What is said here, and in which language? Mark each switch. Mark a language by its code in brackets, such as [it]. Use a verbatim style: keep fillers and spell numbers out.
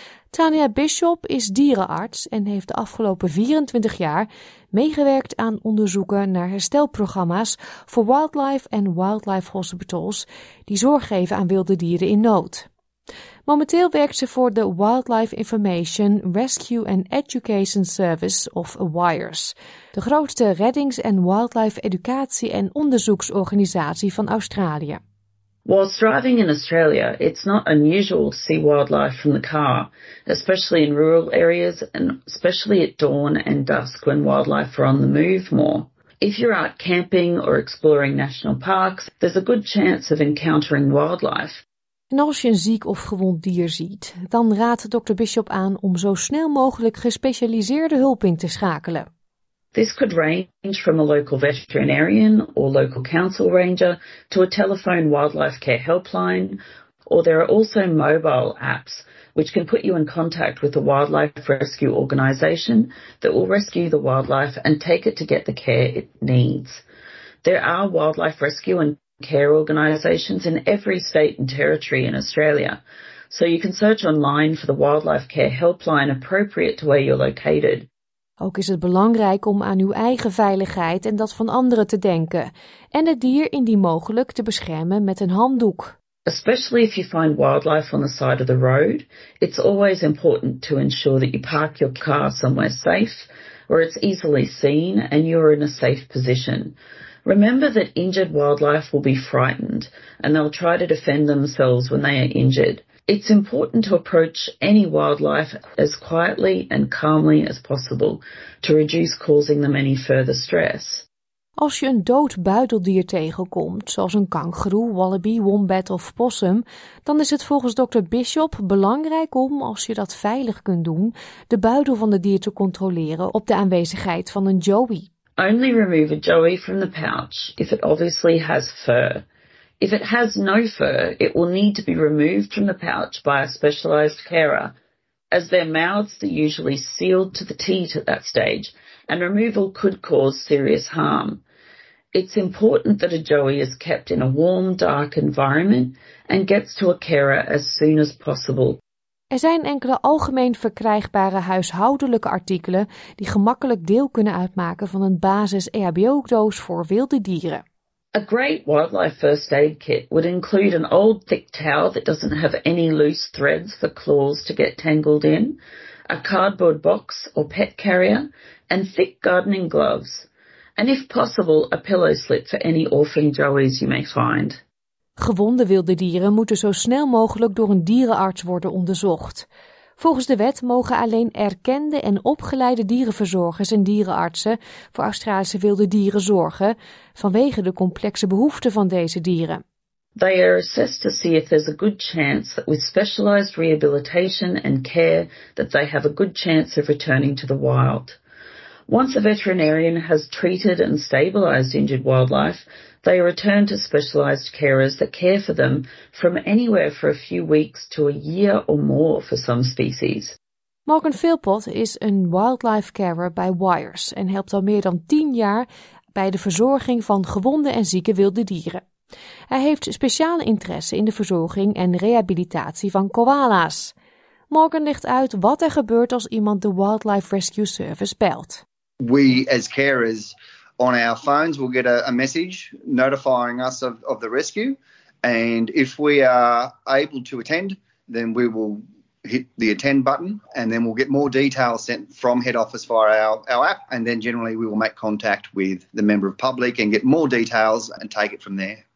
[nl] Tania Bishop is dierenarts en heeft de afgelopen vierentwintig jaar meegewerkt aan onderzoeken naar herstelprogramma's voor wildlife en wildlife hospitals die zorg geven aan wilde dieren in nood. Momenteel werkt ze voor de Wildlife Information, Rescue and Education Service of WIRES, de grootste reddings- en wildlife educatie- en onderzoeksorganisatie van Australië. [en] Whilst driving in Australia, it's not unusual to see wildlife from the car, especially in rural areas and especially at dawn and dusk when wildlife are on the move more. If you're out camping or exploring national parks, there's a good chance of encountering wildlife. [nl] En als je een ziek of gewond dier ziet, dan raadt dokter Bishop aan om zo snel mogelijk gespecialiseerde hulp in te schakelen. [en] This could range from a local veterinarian or local council ranger to a telephone wildlife care helpline, or there are also mobile apps which can put you in contact with a wildlife rescue organisation that will rescue the wildlife and take it to get the care it needs. There are wildlife rescue and care organisations in every state and territory in Australia, so you can search online for the wildlife care helpline appropriate to where you're located. [nl] Ook is het belangrijk om aan uw eigen veiligheid en dat van anderen te denken en het dier indien mogelijk te beschermen met een handdoek. [en] Especially if you find wildlife on the side of the road, it's always important to ensure that you park your car somewhere safe, where it's easily seen and you're in a safe position. Remember that injured wildlife will be frightened and they'll try to defend themselves when they are injured. It's important to approach any wildlife as quietly and calmly as possible to reduce causing them any further stress. [nl] Als je een dood buideldier tegenkomt, zoals een kangoeroe, wallaby, wombat of possum, dan is het volgens dokter Bishop belangrijk om, als je dat veilig kunt doen, de buidel van het dier te controleren op de aanwezigheid van een joey. [en] Only remove a joey from the pouch if it obviously has fur. If it has no fur, it will need to be removed from the pouch by a specialised carer, as their mouths are usually sealed to the teat at that stage, and removal could cause serious harm. It's important that a joey is kept in a warm, dark environment and gets to a carer as soon as possible. [nl] Er zijn enkele algemeen verkrijgbare huishoudelijke artikelen die gemakkelijk deel kunnen uitmaken van een basis R B O-doos voor wilde dieren. [en] A great wildlife first aid kit would include an old thick towel that doesn't have any loose threads for claws to get tangled in, a cardboard box or pet carrier, and thick gardening gloves. And if possible, a pillow slip for any orphan joeys you may find. [nl] Gewonde wilde dieren moeten zo snel mogelijk door een dierenarts worden onderzocht. Volgens de wet mogen alleen erkende en opgeleide dierenverzorgers en dierenartsen voor Australische wilde dieren zorgen, vanwege de complexe behoeften van deze dieren. [en] They are assessed to see if there's a good chance that with specialized rehabilitation and care that they have a good chance of returning to the wild. Once a veterinarian has treated and stabilized injured wildlife, they are returned to specialised carers that care for them from anywhere for a few weeks to a year or more for some species. [nl] Morgan Philpott is een wildlife carer bij WIRES en helpt al meer dan tien jaar bij de verzorging van gewonde en zieke wilde dieren. Hij heeft speciale interesse in de verzorging en rehabilitatie van koala's. Morgan legt uit wat er gebeurt als iemand de Wildlife Rescue Service belt. [en] We as carers on our phones will get a, a message notifying us of, of the rescue, and if we are able to attend, then we will hit the attend button, and then we'll get more details sent from head office via our, our app, and then generally we will make contact with the member of public and get more details and take it from there.